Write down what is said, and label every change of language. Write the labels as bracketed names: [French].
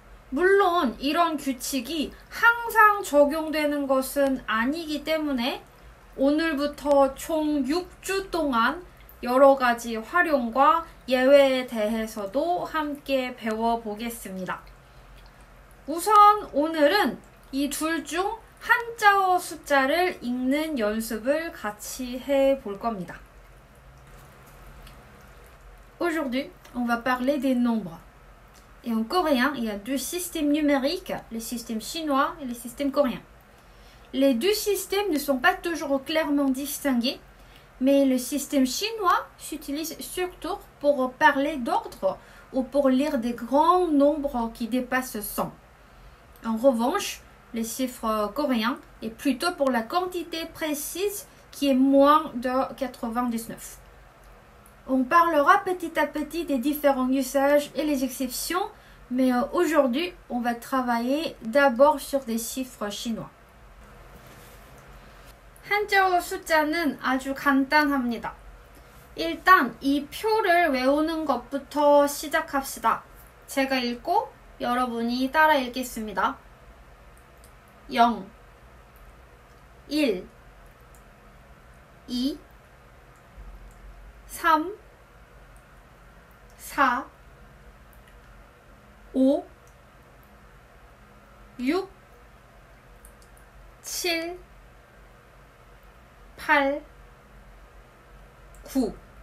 [Korean] 물론 이런 규칙이 항상 적용되는 것은 아니기 때문에 오늘부터 총 6주 동안 여러 가지 활용과 예외에 대해서도 함께 배워보겠습니다. 우선 오늘은 이둘중 한자어 숫자를 읽는 연습을 같이 해볼 겁니다. [French] Aujourd'hui, on va parler des nombres. Et en coréen, il y a deux systèmes numériques, le système chinois et le système coréen. Les deux systèmes ne sont pas toujours clairement distingués. Mais le système chinois s'utilise surtout pour parler d'ordre ou pour lire des grands nombres qui dépassent 100. En revanche, le chiffre coréen est plutôt pour la quantité précise qui est moins de 99. On parlera petit à petit des différents usages et les exceptions, mais aujourd'hui, on va travailler d'abord sur des chiffres chinois. [Korean] 한자어 숫자는 아주 간단합니다. 일단 이 표를 외우는 것부터 시작합시다. 제가 읽고 여러분이 따라 읽겠습니다. 0, 1, 2, 3, 4, 5, 6, 7, 8, 9.